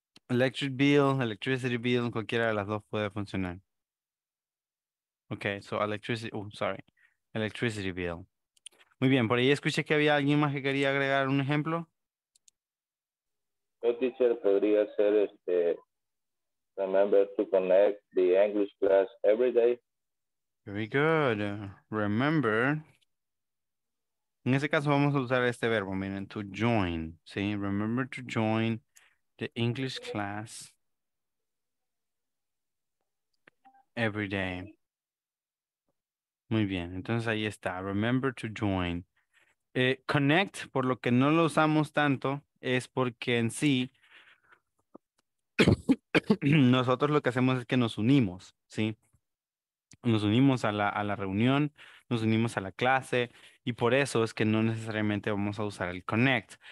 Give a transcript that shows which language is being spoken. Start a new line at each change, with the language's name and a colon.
English: Electric bill, electricity bill,
Spanish: cualquiera de las dos puede funcionar.
English: Okay, so electricity, electricity bill.
Spanish: Muy bien, por ahí escuché que había alguien más que quería agregar un ejemplo. El teacher podría ser este.
English: Remember to connect the English class every day. Very good. Remember.
Spanish: En ese caso vamos a usar este verbo, miren, to join. ¿Sí?
English: Remember to join the English class every day.
Spanish: Muy bien, entonces ahí está.
English: Remember to join.
Spanish: Connect, por lo que no lo usamos tanto, es porque en sí... Nosotros lo que hacemos es que nos unimos, ¿sí? Nos unimos a la reunión, nos unimos a la clase, y por eso es que no necesariamente vamos a usar el connect.